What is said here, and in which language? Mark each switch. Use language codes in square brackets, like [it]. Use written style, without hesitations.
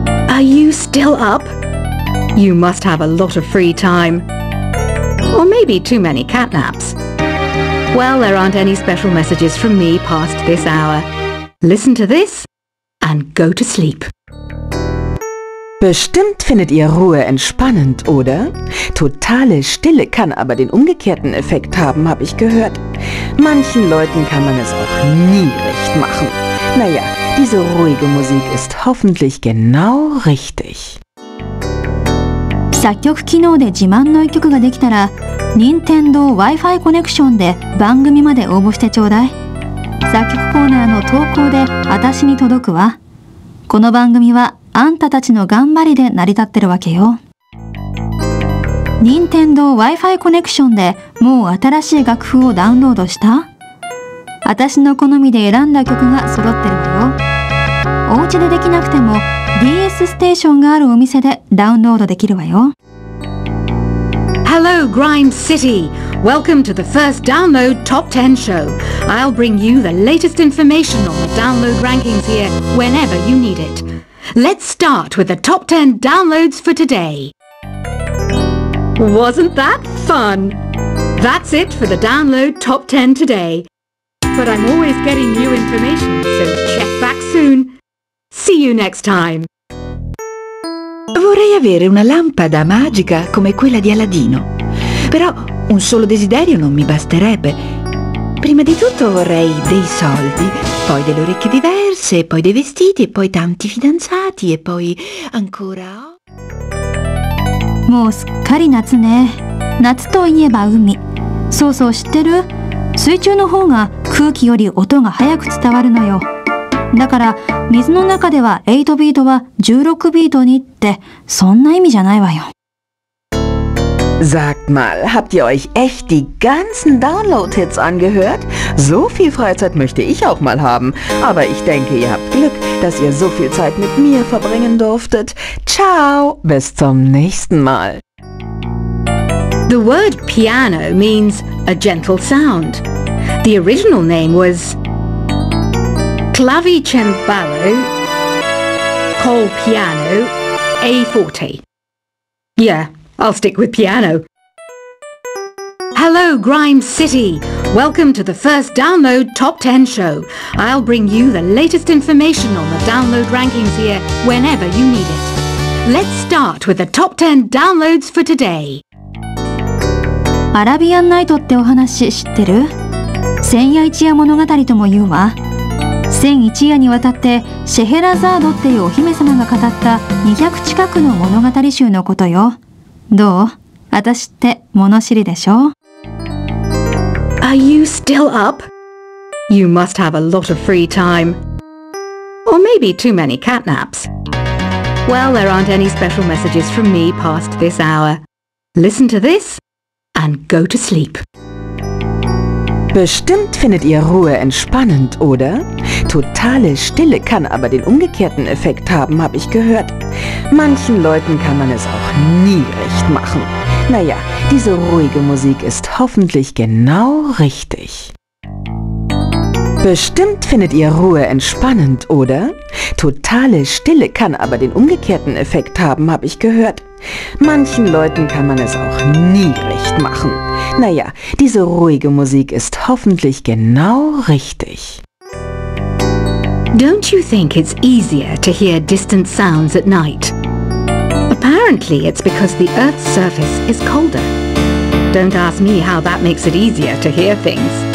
[en] Are you still up? You must have a lot of free time. Or maybe too many catnaps. Well, there aren't any special messages from me past this hour. Listen to this and go to sleep. [de] Bestimmt findet ihr Ruhe entspannend, oder? Totale Stille kann aber den umgekehrten Effekt haben, habe ich gehört. Manchen Leuten kann man es auch nie recht machen. Naja, diese ruhige Musik ist hoffentlich genau richtig. [ja] 作曲機能で自慢の一曲ができたら、Nintendo Wi-Fi Connection で番組まで応募してちょうだい。作曲コーナーの投稿で私に届くわ。この番組は、あんたたちの頑張りで成り立ってるわけよ。任天堂 Wi-Fi コネクションでもう新しい楽譜をダウンロードした？私の好みで選んだ曲が揃ってるわよ。お家でできなくても DS ステーションがあるお店でダウンロードできるわよ。 [en] Hello, Grime City! Welcome to the first Download Top 10 show. I'll bring you the latest information on the download rankings here whenever you need it. Let's start with the top 10 downloads for today. Wasn't that fun? That's it for the download top 10 today. But I'm always getting new information, so check back soon. See you next time. [it] Vorrei avere una lampada magica come quella di Aladino. Però un solo desiderio non mi basterebbe. Prima di tutto vorrei dei soldi. Poi delle orecchie diverse, poi dei vestiti, poi tanti fidanzati, e poi ancora... [ja] もうすっかり夏ね。夏といえば海。そうそう、知ってる？水中の方が空気より音が早く伝わるのよ。だから水の中では8ビートは16ビートにって、そんな意味じゃないわよ。 [de] Sagt mal, habt ihr euch echt die ganzen Download-Hits angehört? So viel Freizeit möchte ich auch mal haben. Aber ich denke, ihr habt Glück, dass ihr so viel Zeit mit mir verbringen durftet. Ciao, bis zum nächsten Mal. [en] The word piano means a gentle sound. The original name was clavicembalo, col piano, a forte. Yeah, I'll stick with piano. Hello, Grime City. Welcome to the first Download Top 10 show. I'll bring you the latest information on the download rankings here whenever you need it. Let's start with the top 10 downloads for today. [ja] アラビアンナイトってお話知ってる？千夜一夜物語とも言うわ。千一夜にわたってシェヘラザードっていうお姫様が語った200近くの物語集のことよ。どう？私って物知りでしょ？ [en] Are you still up? You must have a lot of free time. Or maybe too many catnaps. Well, there aren't any special messages from me past this hour. Listen to this and go to sleep. [de] Bestimmt findet ihr Ruhe entspannend, oder? Totale Stille kann aber den umgekehrten Effekt haben, habe ich gehört. Manchen Leuten kann man es auch nie recht machen. Naja, diese ruhige Musik ist hoffentlich genau richtig. Bestimmt findet ihr Ruhe entspannend, oder? Totale Stille kann aber den umgekehrten Effekt haben, habe ich gehört. Manchen Leuten kann man es auch nie recht machen. Naja, diese ruhige Musik ist hoffentlich genau richtig. [en] Don't you think it's easier to hear distant sounds at night? Apparently it's because the Earth's surface is colder. Don't ask me how that makes it easier to hear things.